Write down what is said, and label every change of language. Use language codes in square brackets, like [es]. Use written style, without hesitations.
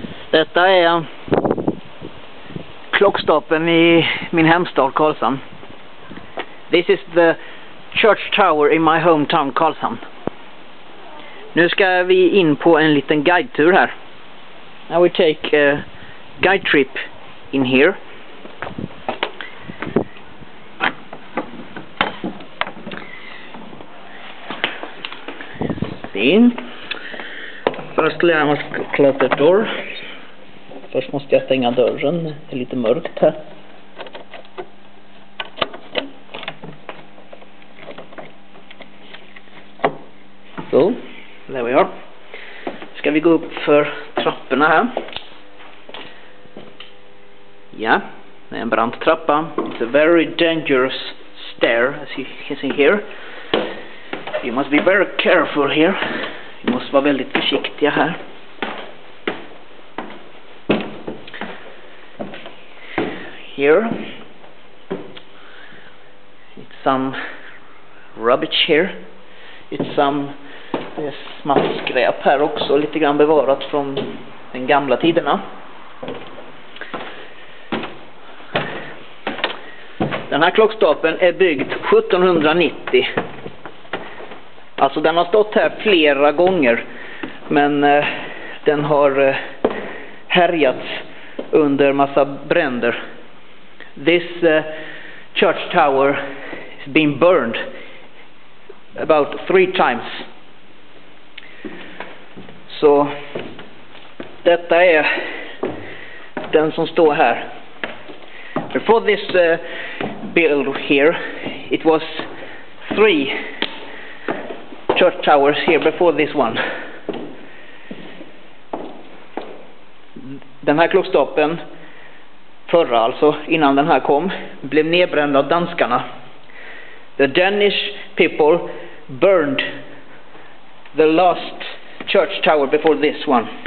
[sv] Detta är klockstoppen i min hemstad Karlshamn. [en] This is the church tower in my hometown Karlshamn. [sv] Nu ska vi in på en liten guidetur här. [en] Now we take a guide trip in here. Firstly, I must close the door. [sv] Först måste jag stänga dörren. Det är lite mörkt här. [en] So, there we are. [sv] Ska vi gå upp för trapporna här? Ja, det är en brant trappa. [en] It's a very dangerous stair, as you can see here. You must be very careful here. [sv] Vi måste vara väldigt försiktiga här. [en] Here. It's some rubbish here. It's some [sv] smaskräp här också, lite grann bevarat från den gamla tiderna. Den här klockstapeln är byggd 1790. Alltså den har stått här flera gånger, men den har härjats under massa bränder. [en] This church tower has been burned about 3 times. [sv] Så detta är den som står här. [en] Before this build here, it was 3 church towers here before this one. [sv] Den här klockstoppen förra, alltså innan den här kom, blev nedbränd av danskarna. [en] The Danish people burned the last church tower before this one.